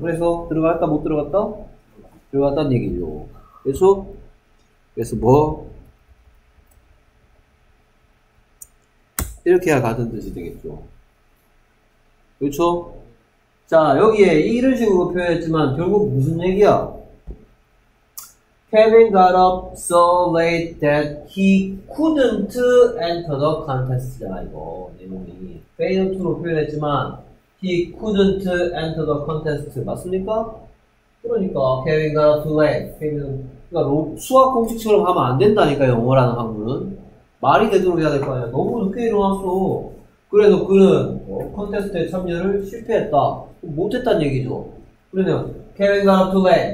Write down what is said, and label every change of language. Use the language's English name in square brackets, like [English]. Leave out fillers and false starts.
[Korean] 그래서 들어갔다 못 들어갔다? 들어갔다는 얘기죠. 그래서 뭐 이렇게 해야 같은 뜻이 되겠죠. 그렇죠. 자, 여기에 이런 식으로 표현했지만 결국 무슨 얘기야? [English] Kevin got up so late that he couldn't enter the contest. [Korean] 잖아, 이거. 내용이. [English] fail to로 표현했지만, he couldn't enter the contest. [Korean] 맞습니까? 그러니까, [English] Kevin got up too late. [Korean] Kevin은, 그러니까 수학 공식처럼 하면 안 된다니까, 영어라는 학문은. 말이 되도록 해야 될 거 아니야. 너무 늦게 일어났어. 그래서 그는, 컨테스트에 참여를 실패했다. 못했단 얘기죠. 그러면, [English] Kevin got up too late.